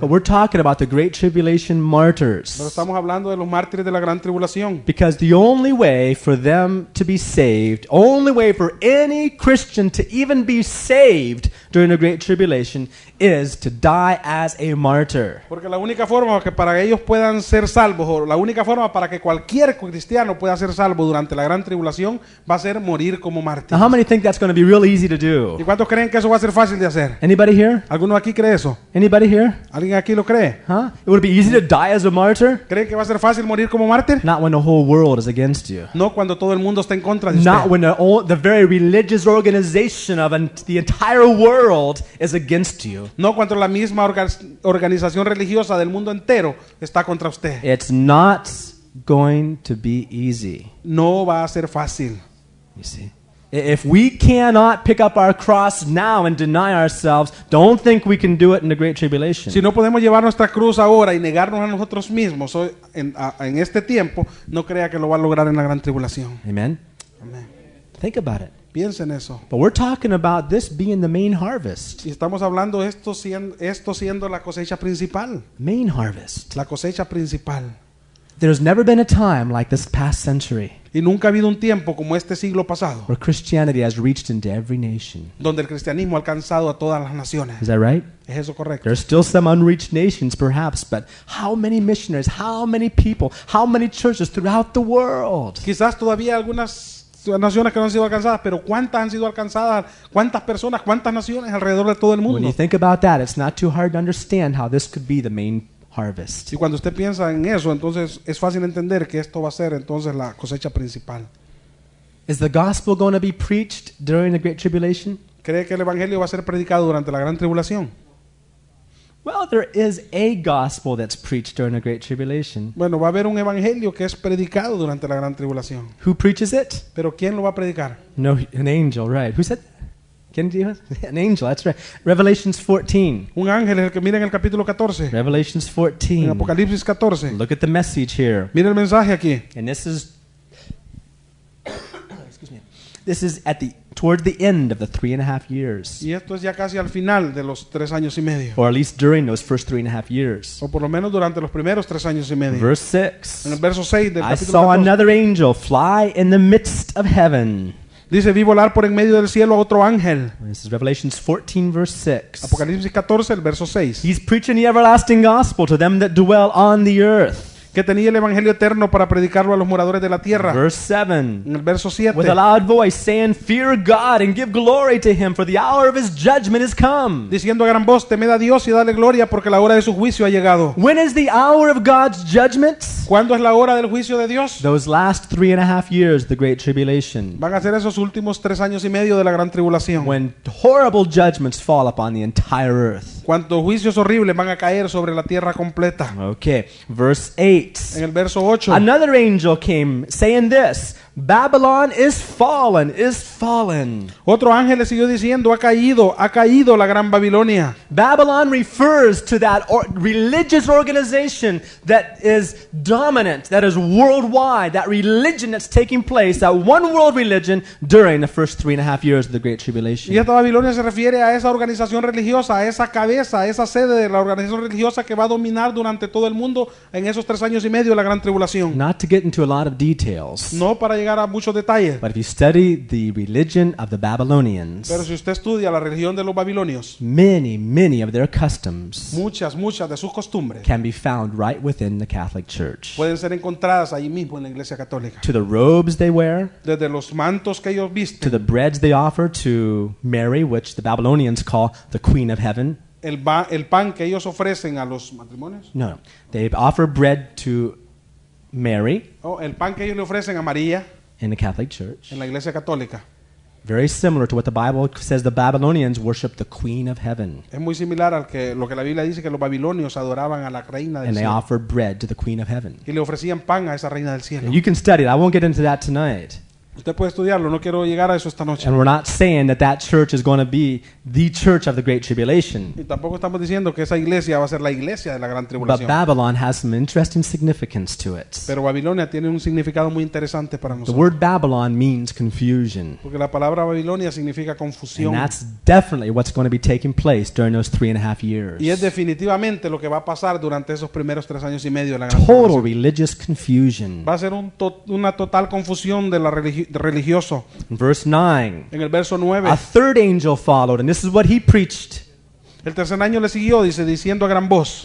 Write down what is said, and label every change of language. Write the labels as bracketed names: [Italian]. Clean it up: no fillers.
[English] But we're talking about the Great Tribulation martyrs. [Spanish] Pero estamos hablando de los mártires de la Gran Tribulación. [English] Because the only way for them to be saved, only way for any Christian to even be saved during the Great Tribulation is to die as a martyr. [Spanish] Porque la única forma que para ellos puedan ser salvos, o la única forma para que cualquier cristiano pueda ser salvo durante la Gran Tribulación va a ser morir como mártir. [English] How many think that's going to be real easy to do? [Spanish] ¿Y cuántos creen que eso va a ser fácil de hacer? [English] Anybody here? [Spanish] ¿Alguno aquí cree eso? [English] Anybody here? [Spanish] ¿Alguien aquí lo cree? [English] Huh? It would be easy to die as a martyr? [Spanish] ¿Creen que va a ser fácil morir como mártir? [English] Not when the whole world is against you. [Spanish] No cuando todo el mundo está en contra de usted. [English] Not when the very religious organization of the entire world is against you. [Spanish] No cuando la misma organización religiosa del mundo entero está contra usted. [English] It's not going to be easy. [Spanish] No va a ser fácil. [English] You see? If we cannot pick up our cross now and deny ourselves, don't think we can do it in the Great Tribulation. [Spanish] Si no podemos llevar nuestra cruz ahora y negarnos a nosotros mismos en este tiempo, no crea que lo va a lograr en la Gran Tribulación. [English] Amen. [Spanish] Amen. [English] Think about it. [Spanish] Piensen eso. [English] But we're talking about this being the main harvest. [Spanish] Y estamos hablando esto siendo la cosecha principal. [English] Main harvest. [Spanish] La cosecha principal. [English] There's never been a time like this past century. [Spanish] Y nunca ha habido un tiempo como este siglo pasado. [English] Where Christianity has reached into every nation. [Spanish] Donde el cristianismo ha alcanzado a todas las naciones. [English] Is that right? [Spanish] ¿Es eso correcto? [English] There are still some unreached nations, perhaps, but how many missionaries, how many people, how many churches throughout the world? [Spanish] Quizás todavía algunas naciones que no han sido alcanzadas, pero ¿cuántas han sido alcanzadas? ¿Cuántas personas, cuántas naciones alrededor de todo el mundo? [English] When you think about that, it's not too hard to understand how this could be the main harvest. [Spanish] Y cuando usted piensa en eso, entonces es fácil entender que esto va a ser entonces la cosecha principal. [English] Is the gospel going to be preached during the Great Tribulation? [Spanish] ¿Cree que el evangelio va a ser predicado durante la gran tribulación? [English] Well, there is a gospel that's preached during the great tribulation. [Spanish] Bueno, va a haber un evangelio que es predicado durante la gran tribulación. [English] Who preaches it? [Spanish] ¿Pero quién lo va a predicar? [English] No, an angel, right? Who said that? [Spanish] ¿Quién dijo? [English] An angel, that's right. Revelations 14. [Spanish] Un ángel, el que mira en el capítulo 14. [English] Revelations 14. [Spanish] En Apocalipsis 14. [English] Look at the message here. [Spanish] Mira el mensaje aquí. [English] And this is this is at the toward the end of the 3.5 years. [Spanish] Y esto es ya casi al final de los 3 años y medio. [English] Or at least during those first 3.5 years. [Spanish] O por lo menos durante los primeros 3 años y medio. [English] Verse 6. [Spanish] En el verso 6 del capítulo 14. [English] I saw another angel fly in the midst of heaven. [Spanish] Dice, vi volar por en medio del cielo a otro ángel. [English] This is Revelation 14, verse 6. [Spanish] Apocalipsis 14, el verso 6. [English] He's preaching the everlasting gospel to them that dwell on the earth. [Spanish] Que tenía el evangelio eterno para predicarlo a los moradores de la tierra. [English] Verse 7. [Spanish] En el verso 7. [English] With a loud voice saying, fear God and give glory to him, for the hour of his judgment is come. [Spanish] Diciendo a gran voz, temed a Dios y dale gloria porque la hora de su juicio ha llegado. [English] When is the hour of God's judgment? [Spanish] ¿Cuándo es la hora del juicio de Dios? [English] Those last 3.5 years, the great tribulation. [Spanish] Van a ser esos últimos 3 años y medio de la gran tribulación. [English] When horrible judgments fall upon the entire earth. [Spanish] Cuando juicios horribles van a caer sobre la tierra completa. [English] Okay, verse 8. [Spanish] En el verso 8. [English] Another angel came saying this, Babylon is fallen, is fallen. [Spanish] Otro ángel le siguió diciendo, ha caído la gran Babilonia. [English] Babylon refers to that religious organization that is dominant, that is worldwide, that religion that's taking place, that one world religion during the first 3.5 years of the Great Tribulation. [Spanish] Y esta Babilonia se refiere a esa organización religiosa, a esa cabeza, a esa sede de la organización religiosa que va a dominar durante todo el mundo en esos 3 años y medio de la gran tribulación. [English] Not to get into a lot of details. [Spanish] No para llegar a muchos detalles. [English] But if you study the religion of the Babylonians, [Spanish] pero si usted estudia la religión de los babilonios, [English] many, many of their customs, [Spanish] muchas, muchas de sus costumbres, [English] can be found right within the Catholic Church. [Spanish] Pueden ser encontradas ahí mismo en la Iglesia Católica. [English] To the robes they wear, [Spanish] desde los mantos que ellos visten, [English] to the breads they offer to Mary, which the Babylonians call the Queen of Heaven. [Spanish] El pan que ellos ofrecen a los matrimonios. [English] No, they offer bread to Mary. [Spanish] Oh, el pan que ellos le ofrecen a María. [English] In the Catholic Church. [Spanish] En la Iglesia Católica. [English] Very similar to what the Bible says the Babylonians worship the Queen of Heaven. [Spanish] Es muy similar al que lo que la Biblia dice que los babilonios adoraban a la Reina del Cielo. [English] And they offer bread to the Queen of Heaven. [Spanish] Y le ofrecían pan a esa Reina del Cielo. [English] And you can study it. I won't get into that tonight. [Spanish] Usted puede estudiarlo, no quiero llegar a eso esta noche. [English] And we're not saying that that church is going to be the church of the Great Tribulation. [Spanish] Y tampoco estamos diciendo que esa iglesia va a ser la iglesia de la gran tribulación. [English] But Babylon has some interesting significance to it. [Spanish] Pero Babilonia tiene un significado muy interesante para nosotros. [English] The word Babylon means confusion. [Spanish] Porque la palabra Babilonia significa confusión. [English] And that's definitely what's going to be taking place during those 3.5 years. [Spanish] Y es definitivamente lo que va a pasar durante esos primeros 3 años y medio de la gran total tribulación. [English] Total religious confusion. [Spanish] Va a ser una total confusión de la religioso. [English] Verse 9. [Spanish] En el verso 9. [English] A third angel followed, and this is what he preached. [Spanish] El tercer ángel le siguió, dice, diciendo a gran voz.